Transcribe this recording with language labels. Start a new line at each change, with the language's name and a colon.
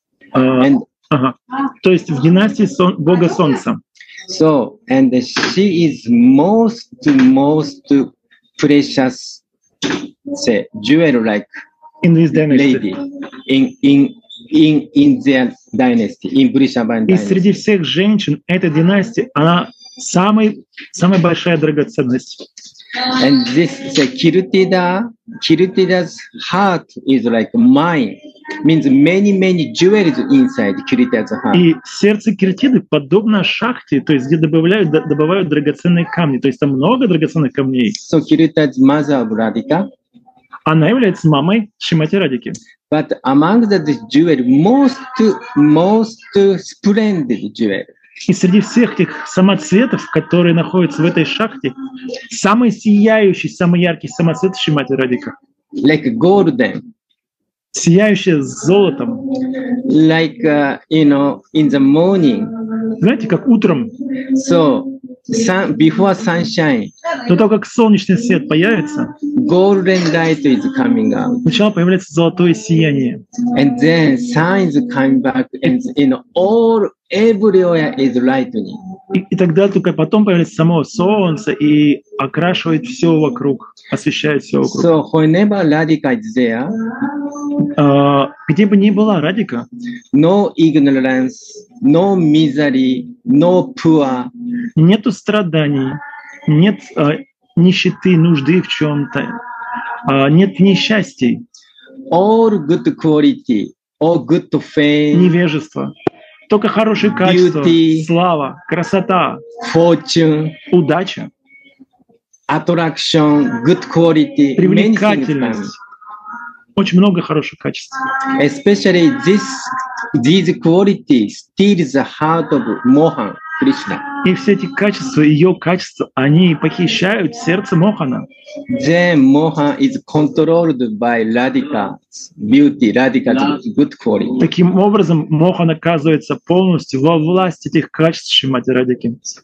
Russian: То есть в династии бога солнца.
English: So and she is most precious, say jewel-like in this dynasty. Lady in their dynasty, in Vrishabhanu dynasty.
Russian: И среди всех женщин этой династии она самая большая драгоценность.
English: And this say Kirtida's heart is like mine. Means many jewels inside Kirtida's heart.
Russian: И сердце Киртиды подобно шахте, то есть где добывают драгоценные камни, то есть там много драгоценных камней.
English: So Kirtida's mother of Radhika.
Russian: Она является мамой Шримати Радики.
English: But among the jewel, most splendid jewel.
Russian: И среди всех этих самоцветов, которые находятся в этой шахте, самый сияющий, самый яркий самоцвет Шримати Радика.
English: Like golden.
Russian: Сияющее золотом.
English: Like, you know, in the morning.
Russian: Знаете, как утром.
English: So, before sunshine.
Russian: Но то, как солнечный свет появится.
English: Golden light is coming out.
Russian: Сначала появляется золотое сияние.
English: And then sun is coming back and, you know, all, everywhere is lightning.
Russian: И тогда только потом появляется само солнце и окрашивает все вокруг, освещает все вокруг.
English: So, whenever Radhika is there,
Russian: где бы ни была Радика,
English: no ignorance, no misery, no poor.
Russian: Нету страданий, нет нищеты, нужды в чем-то, нет несчастий.
English: All good quality, all good fame.
Russian: Невежество. Только хорошие качества,
English: beauty,
Russian: слава, красота,
English: fortune,
Russian: удача,
English: attraction, good quality,
Russian: привлекательность, очень много хороших качеств.
English: Especially these qualities steal the heart of Mohan Krishna.
Russian: И все эти качества, ее качества, они похищают сердце Мохана.
English: Then Mohan is controlled by Radhika's beauty, Radhika's good quality.
Russian: Таким образом, Мохан оказывается полностью во власти этих качеств Шримати Радики.